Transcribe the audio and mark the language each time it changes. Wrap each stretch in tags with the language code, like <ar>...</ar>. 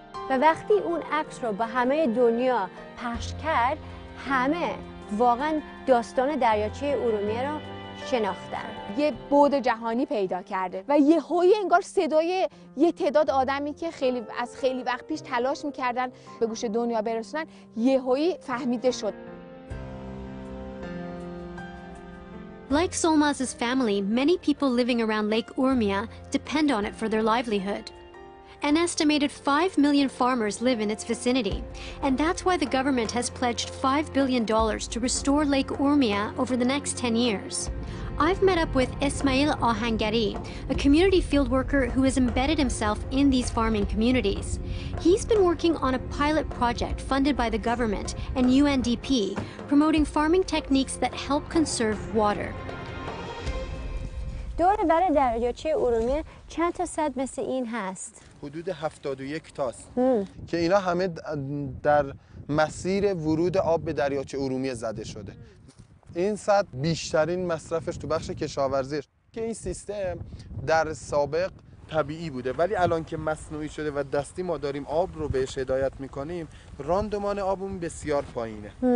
<fa>و وقتی اون عکس رو به همه دنیا پخش کرد، همه واقعا داستان دریاچه ارومیه رو شناختن. یه بُعد جهانی پیدا کرده و یهویی انگار صدای یه تعداد آدمی که خیلی از خیلی وقت پیش تلاش میکردن به گوش دنیا برسونن یهویی فهمیده شد.</fa> <en>Like Solmaz's family, many people living around Lake Urmia depend on it for their livelihood. An estimated 5 million farmers live in its vicinity, and that's why the government has pledged $5 billion to restore Lake Urmia over the next 10 years. I've met up with Ismail Ahangari, a community field worker who has embedded himself in these farming communities. He's been working on a pilot project funded by the government and UNDP, promoting farming techniques that help conserve water.</en> <fa>دور بر دریاچه ارومیه چند تا سد مثل این هست؟ حدود 71 تاست که اینا همه در مسیر ورود آب به دریاچه ارومیه زده شده. این سد بیشترین مصرفش تو بخش کشاورزی که این سیستم در سابق طبیعی بوده ولی الان که مصنوعی شده و دستی ما داریم آب رو بهش هدایت میکنیم راندمان آبمون بسیار پایینه.</fa>